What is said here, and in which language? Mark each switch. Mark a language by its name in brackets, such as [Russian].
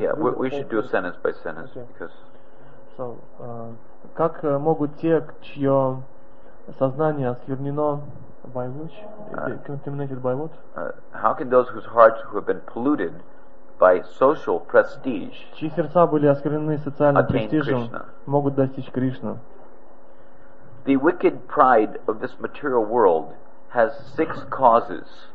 [English] Yeah, we should do a sentence by sentence, okay. Because. [Russian] So, как могут те, чье сознание осквернено [English] by which? Contaminated by what? How can those whose hearts who have been polluted by social prestige, [Russian] чьи сердца были осквернены социальным престижем, могут достичь Кришны? [English] The wicked pride of this material world has six causes.